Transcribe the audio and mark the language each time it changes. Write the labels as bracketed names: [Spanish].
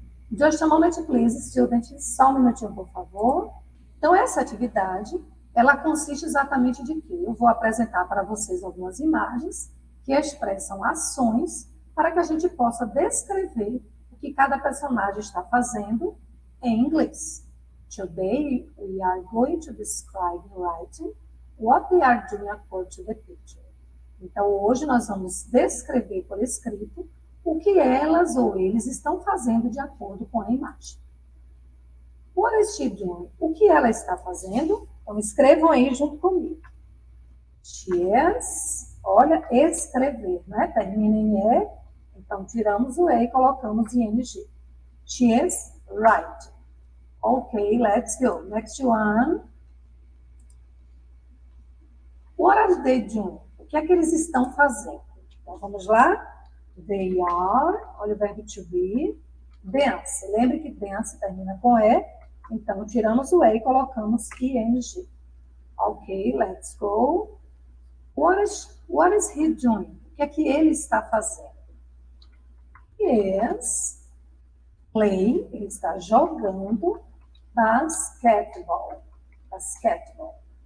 [English] Just a moment, please, students. [Portuguese] Só um minutinho, por favor. Então, essa atividade, ela consiste exatamente de quê? Eu vou apresentar para vocês algumas imagens que expressam ações para que a gente possa descrever o que cada personagem está fazendo em inglês. [English] Today, we are going to describe in writing what they are doing according to the picture. [Portuguese] Então, hoje nós vamos descrever por escrito o que elas ou eles estão fazendo de acordo com a imagem. [English] What is she doing? [Portuguese] O que ela está fazendo? Então, escrevam aí junto comigo. [English] She is, [Portuguese] olha, escrever, né? Termina em E, então tiramos o E e colocamos em NG. [English] She is writing. Ok, let's go. Next one. What are they doing? [Portuguese] O que é que eles estão fazendo? Então, vamos lá. [English] They are, [Portuguese] olha o verbo to be, dance. Lembre que dance termina com E, então tiramos o E e colocamos ing. [English] Ok, let's go. What is he doing? [Portuguese] O que é que ele está fazendo? Yes, play, ele está jogando basketball. Basketball.